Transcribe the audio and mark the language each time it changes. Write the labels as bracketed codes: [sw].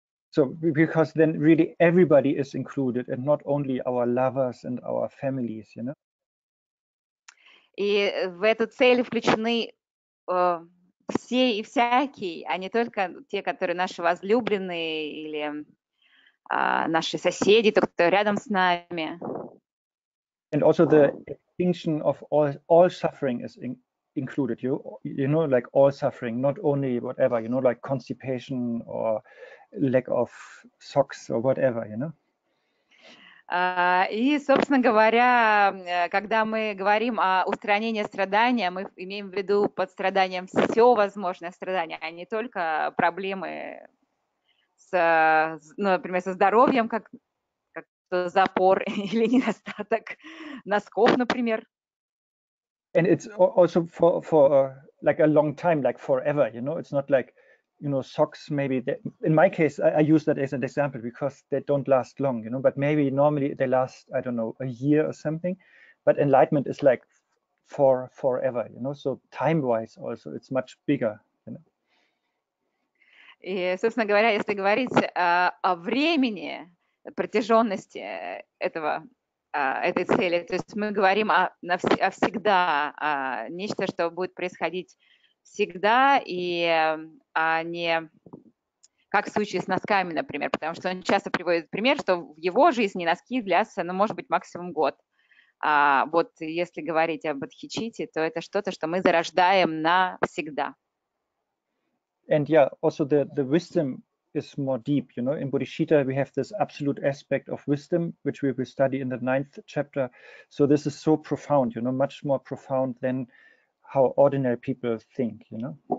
[en] So because then really everybody is included and not only our lovers and our families, you know. [ru] И в эту цель включены все и всякие, а не только те, которые наши возлюбленные или наши соседи, то, кто рядом с нами. [en] And also the extinction of all suffering is included, you know, like all suffering, not only whatever, you know, like constipation or lack of socks or whatever, you know. [ru] И, собственно говоря, когда мы говорим о устранении страдания, мы имеем в виду под страданием все возможное страдание, а не только проблемы с, ну, например, со здоровьем, как запор или недостаток носков, например. [en] And it's also for like a long time, like forever, you know. It's not like, you know, socks maybe that, in my case, I use that as an example because they don't last long, you know, but maybe normally they last, I don't know, a year or something. But enlightenment is like for forever, you know. So time-wise also it's much bigger, you know. [ru] И, собственно говоря, если говорить о времени, протяженности этого, этой цели, то есть мы говорим о всегда, о нечто, что будет происходить всегда, и а не как в случае с носками, например, потому что он часто приводит пример, что в его жизни носки длятся, ну, может быть, максимум год. А вот если говорить об бодхичитти, то это что-то, что мы зарождаем навсегда. [en] And yeah, also the wisdom is more deep, you know. In bodhicitta, we have this absolute aspect of wisdom, which we will study in the ninth chapter. So this is so profound, you know, much more profound than how ordinary people think, you know.